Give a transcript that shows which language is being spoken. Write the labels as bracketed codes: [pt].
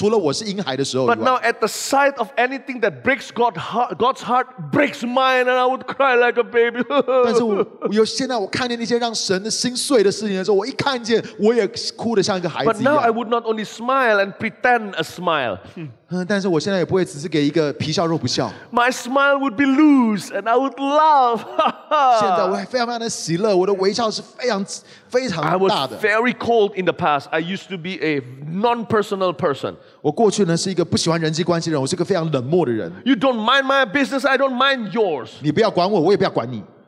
[en] now at the sight of anything that breaks God's heart breaks mine, and I would cry like a baby. [zh] 但是我看见那些让神的心碎的事情的时候，我一看见我也哭得像一个孩子一样。 [en] But now I would not only smile and pretend a smile. [zh] 但是我现在也不会只是给一个皮笑肉不笑。 [en] My smile would be loose and I would laugh. [zh] 现在我非常非常的喜乐，我的微笑是非常非常大的。 [en] I was very cold in the past. I used to be a non-personal person. [zh] 我过去呢是一个不喜欢人际关系的人，我是个非常冷漠的人。 [en] You don't mind my business. I don't mind yours. [zh] 你不要管我，我也不要管你。